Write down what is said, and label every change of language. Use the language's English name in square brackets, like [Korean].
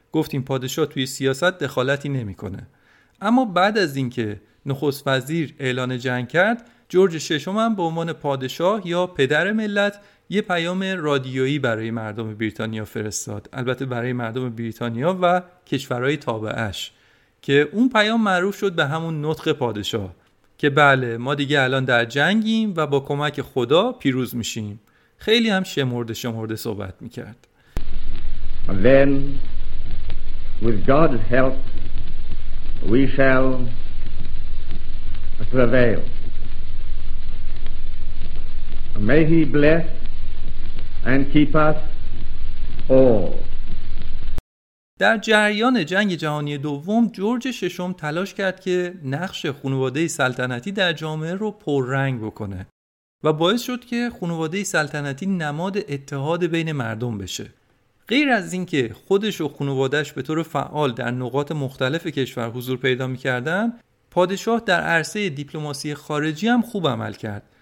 [Persian] گفتیم پادشاه توی سیاست دخالتی نمی‌کنه. اما بعد از اینکه نخست وزیر اعلان جنگ کرد، جورج ششم هم به عنوان پادشاه یا پدر ملت یه پیام رادیویی برای مردم بریتانیا فرستاد، البته برای مردم بریتانیا و کشورهای تابعش، که اون پیام معروف شد به همون نطق پادشاه که بله، ما دیگه الان در جنگیم و با کمک خدا پیروز میشیم. خیلی هم شمرده شمرده صحبت میکرد. [English] Then with God's help we shall prevail. May he bless and keep us all. [Persian] در جریان جنگ جهانی دوم، جورج ششم تلاش کرد که نقش خانواده سلطنتی در جامعه رو پررنگ بکنه و باعث شد که خانواده سلطنتی نماد اتحاد بین مردم بشه. غیر از اینکه خودش و خانواده‌اش به طور فعال در نقاط مختلف کشور حضور پیدا می‌کردند، پادشاه در عرصه دیپلماسی خارجی هم خوب عمل کرد.